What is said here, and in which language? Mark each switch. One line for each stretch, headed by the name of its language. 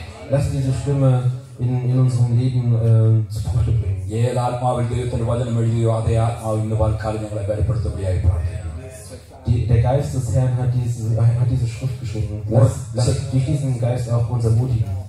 German: Lasst diese Stimme in unserem Leben zu Frucht bringen.
Malayalam: ഏതാത്മാവിൽ ദൈവത്തിന്റെ വചനം എഴുതിയോ അതേ ആത്മാവ് ഇന്ന് പാൽക്കാൽ ഞങ്ങളെ ബലപ്പെടുത്തുമ്പോഴായി പ്രാർത്ഥിക്കുന്നു
German: Der Geist des Herrn hat diese Schrift geschrieben. Lass durch diesen Geist auch uns ermutigen.